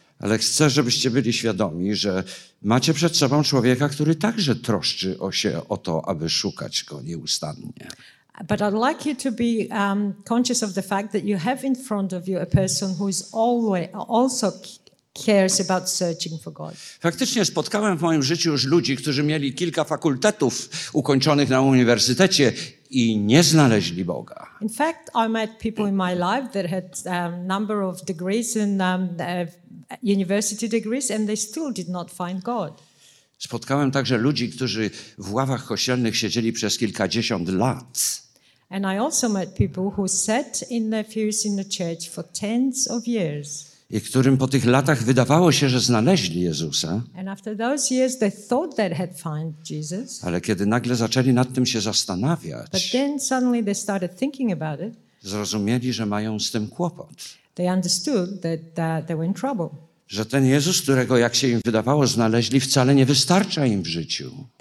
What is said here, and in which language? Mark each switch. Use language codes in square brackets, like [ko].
[pl] Ale chcę, żebyście byli świadomi, że macie przed sobą człowieka, który także troszczy się o to, aby szukać go nieustannie. [en] But I'd like you to be conscious of the fact that you have in front of you a person who is always also cares about searching for God. [pl] Faktycznie spotkałem w moim życiu już ludzi, którzy mieli kilka fakultetów ukończonych na uniwersytecie i nie znaleźli Boga. [en] In fact, I met people in my life that had a number of degrees and university degrees, and they still did not find God. [pl] Spotkałem także ludzi, którzy w ławach kościelnych siedzieli przez kilkadziesiąt lat. [en] And I also met people who sat in their pews in the church for tens of years. [pl] I którym po tych latach wydawało się, że znaleźli Jezusa. [en] And after those years they thought they had found Jesus. [pl] Ale kiedy nagle zaczęli nad tym się zastanawiać, [en] but then suddenly they started thinking about it. [pl] Zrozumieli, że mają z tym kłopot. [en] They understood that they were in trouble. [pl] Że ten Jezus, którego, jak się im wydawało, znaleźli, wcale nie wystarcza im w życiu.